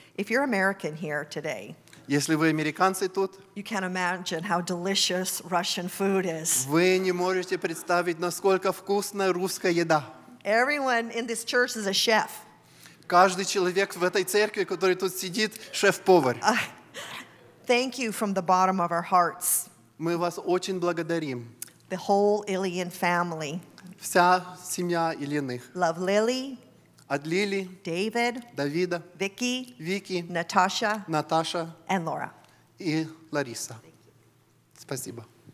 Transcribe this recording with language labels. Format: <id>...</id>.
<en>If you're American here today,</en> <ru>если вы американцы тут,</ru> <en>you can't imagine how delicious Russian food is.</en> <ru>Вы не можете представить, насколько вкусная русская еда.</ru> <en>Everyone in this church is a chef.</en> <ru>Каждый человек в этой церкви, который тут сидит, шеф-повар.</ru> <en>Thank you from the bottom of our hearts.</en> <ru>Мы вас очень благодарим.</ru> <en>The whole Ilyin family.</en> <ru>Вся семья Ильиных.</ru> <en>Love Lily.</en> <ru>От Лили.</ru> <en>David.</en> <ru>Давида.</ru> <en>Vicky.</en> <ru>Вики.</ru> <en>Natasha.</en> <ru>Наташа.</ru> <en>And Laura.</en> <ru>И Лариса. Спасибо.</ru>